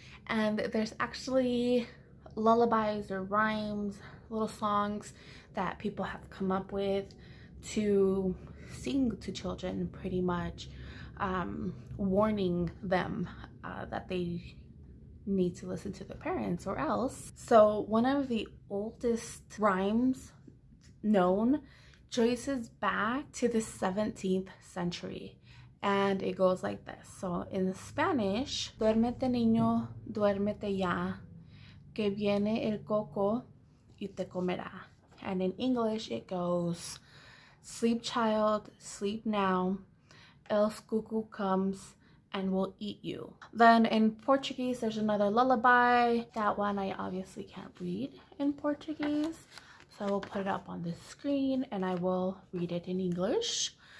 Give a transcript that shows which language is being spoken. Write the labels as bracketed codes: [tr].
[en] And there's actually lullabies or rhymes, little songs that people have come up with to sing to children, pretty much warning them that they need to listen to their parents or else. So one of the oldest rhymes known traces back to the 17th century. And it goes like this. So in Spanish, [es] duérmete niño, duérmete ya, que viene el coco y te comerá. [en] And in English, it goes, sleep child, sleep now, else cuckoo comes and will eat you. Then in Portuguese, there's another lullaby. That one I obviously can't read in Portuguese, so I will put it up on the screen and I will read it in English.